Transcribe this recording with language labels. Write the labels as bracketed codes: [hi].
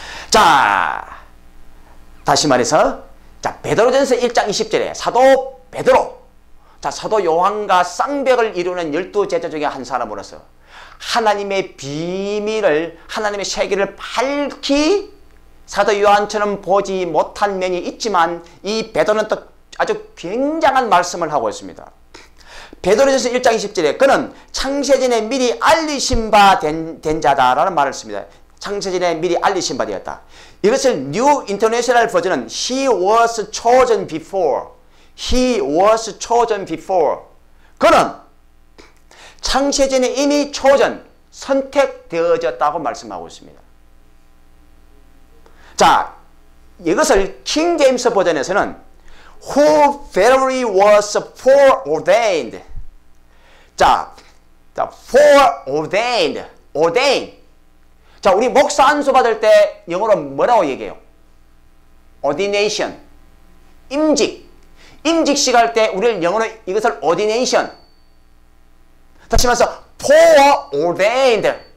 [ko] 자, 다시 말해서 자 베드로전서 1장 20절에 사도 베드로, 자 사도 요한과 쌍벽을 이루는 열두 제자 중에 한 사람으로서 하나님의 비밀을, 하나님의 세계를 밝히 사도 요한처럼 보지 못한 면이 있지만 이 베드로는 또 아주 굉장한 말씀을 하고 있습니다. 베드로전서 1장 20절에 그는 창세전에 미리 알리신 바 된 자다라는 말을 씁니다. 창세전에 미리 알리신 바 되었다. 이것을 New International 버전은 [en] He was chosen before. He was chosen before. [ko] 그는 창세전에 이미 chosen, 선택되어졌다고 말씀하고 있습니다. 자, 이것을 King James 버전에서는 [en] Who verily was foreordained. 자, foreordained. Ordained. [ko] 자, 우리 목사 안수 받을 때 영어로 뭐라고 얘기해요? Ordination. 임직. 임직식 할 때 우리는 영어로 이것을 Ordination. 다시 말해서 Foreordained.